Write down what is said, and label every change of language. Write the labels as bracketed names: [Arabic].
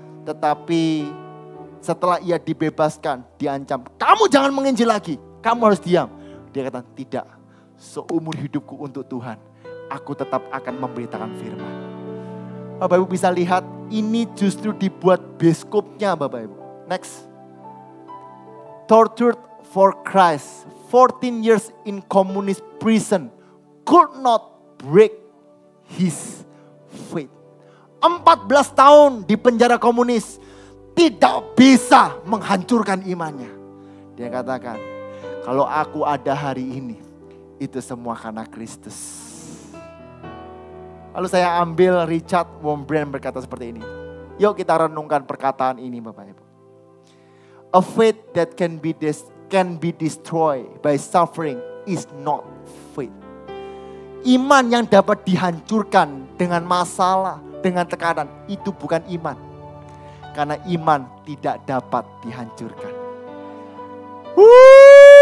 [Indonesian] Tetapi setelah ia dibebaskan, diancam, kamu jangan menginjil lagi, kamu harus diam. Dia kata, tidak, seumur hidupku untuk Tuhan, aku tetap akan memberitakan firman. Bapak Ibu bisa lihat, ini justru dibuat biskupnya Bapak Ibu. [English] Next. Tortured for Christ, 14 years in communist prison, could not break his faith. [Indonesian] 14 tahun di penjara komunis, tidak bisa menghancurkan imannya. Dia katakan, kalau aku ada hari ini, itu semua karena Kristus. Lalu saya ambil Richard Wurmbrand berkata seperti ini. Yuk kita renungkan perkataan ini Bapak Ibu. [English] A faith that can be destroyed by suffering is not faith. [Indonesian] Iman yang dapat dihancurkan dengan masalah, dengan tekanan, itu bukan iman. Karena iman tidak dapat dihancurkan. Wuuu!